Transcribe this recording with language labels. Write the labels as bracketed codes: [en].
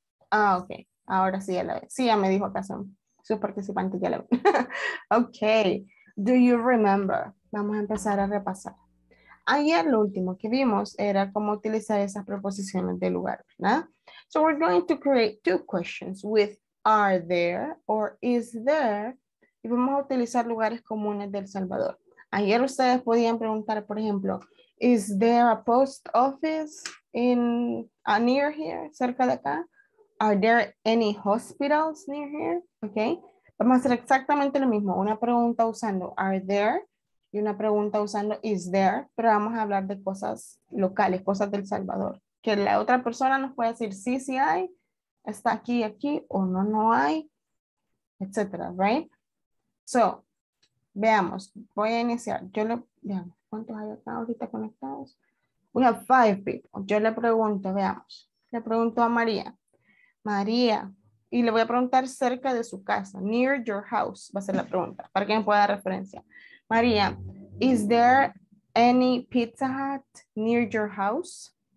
[es] Ah, ok. Ahora sí ya la ven. Sí, ya me dijo que son sus participantes, ya la ven. Ok. [en] Do you remember? [es] Vamos a empezar a repasar. Ayer lo último que vimos era cómo utilizar esas preposiciones de lugar, ¿no? [en] So we're going to create two questions with are there or is there. [es] Y vamos a utilizar lugares comunes de El Salvador. Ayer ustedes podían preguntar, por ejemplo, [en] is there a post office in near here, [es] cerca de acá? [en] Are there any hospitals near here? Okay. [es] Vamos a hacer exactamente lo mismo. Una pregunta usando [en] are there [es] y una pregunta usando [en] is there, [es] pero vamos a hablar de cosas locales, cosas del Salvador. Que la otra persona nos puede decir sí, sí hay, está aquí, aquí, o no, no hay, etcétera, right? So, veamos, voy a iniciar. Yo le, veamos, ¿cuántos hay acá ahorita conectados? [en] We have 5 people. [es] Yo le pregunto, veamos. Le pregunto a María. María, y le voy a preguntar cerca de su casa. [en] Near your house, [es] va a ser la pregunta, para que me pueda dar referencia. [en] María, is there any Pizza Hut near your house?